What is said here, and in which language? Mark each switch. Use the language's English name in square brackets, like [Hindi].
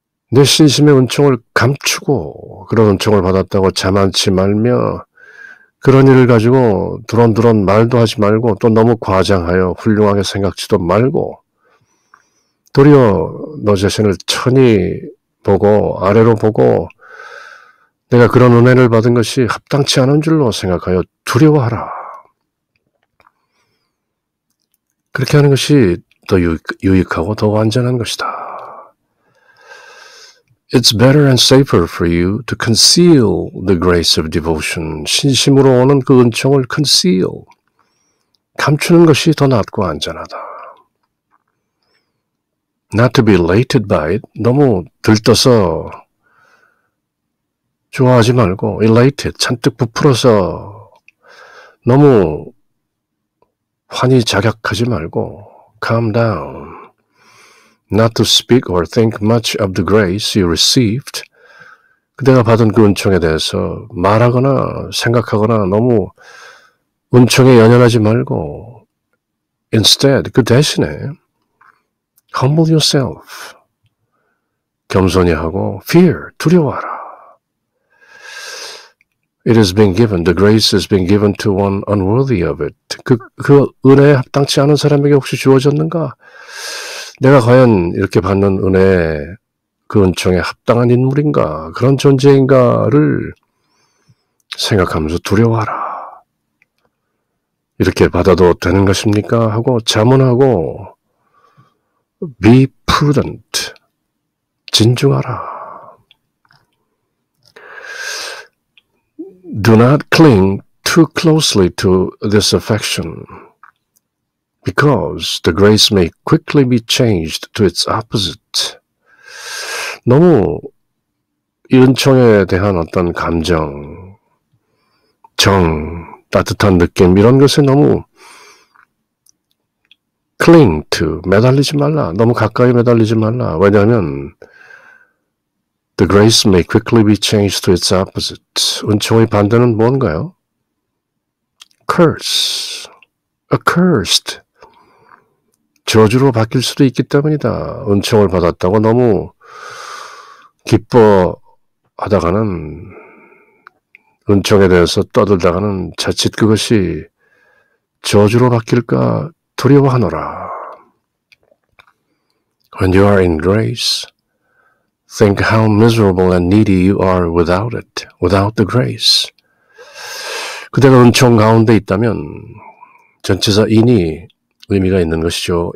[Korean] 내 신심의 은총을 감추고, 그런 은총을 받았다고 자만치 말며, 그런 일을 가지고 두런두런 말도 하지 말고, 또 너무 과장하여 훌륭하게 생각지도 말고, 도리어 너 자신을 천히 보고 아래로 보고 내가 그런 은혜를 받은 것이 합당치 않은 줄로 생각하여 두려워하라. 그렇게 하는 것이 더 유익하고 더 안전한 것이다. [English] It's better and safer for you to conceal the grace of devotion. [Korean] 신심으로 오는 그 은총을 conceal, 감추는 것이 더 낫고 안전하다. [English] Not to be elated by it. [Korean] 너무 들떠서 좋아하지 말고 elated, 잔뜩 부풀어서 너무 환히 자격하지 말고 [English] calm down. Not to speak or think much of the grace you received. [Korean] 그대가 받은 그 은총에 대해서 말하거나 생각하거나 너무 은총에 연연하지 말고 instead, 그 대신에 [English] humble yourself. [Korean] 겸손히 하고 fear, 두려워하라. [English] It has been given, the grace has been given to one unworthy of it. [Korean] 그 은혜에 합당치 않은 사람에게 혹시 주어졌는가? 내가 과연 이렇게 받는 은혜에 그 은총에 합당한 인물인가? 그런 존재인가를 생각하면서 두려워하라. 이렇게 받아도 되는 것입니까? 하고 자문하고 [English] Be prudent. [Korean] 진중하라. [English] Do not cling too closely to this affection, because the grace may quickly be changed to its opposite. [Korean] 너무 이 은총에 대한 어떤 감정, 정, 따뜻한 느낌 이런 것에 너무 [English] cling to, [Korean] 매달리지 말라. 너무 가까이 매달리지 말라. 왜냐하면 [English] The grace may quickly be changed to its opposite. [Korean] 은총의 반대는 뭔가요? [English] Curse. Accursed. [Korean] 저주로 바뀔 수도 있기 때문이다. 은총을 받았다고 너무 기뻐하다가는 은총에 대해서 떠들다가는 자칫 그것이 저주로 바뀔까 두려워하노라. [English] When you are in grace, Think how miserable and needy you are without it, without the grace. [Korean] 그대가 은총 가운데 있다면 전치사 in이 의미가 있는 것이죠.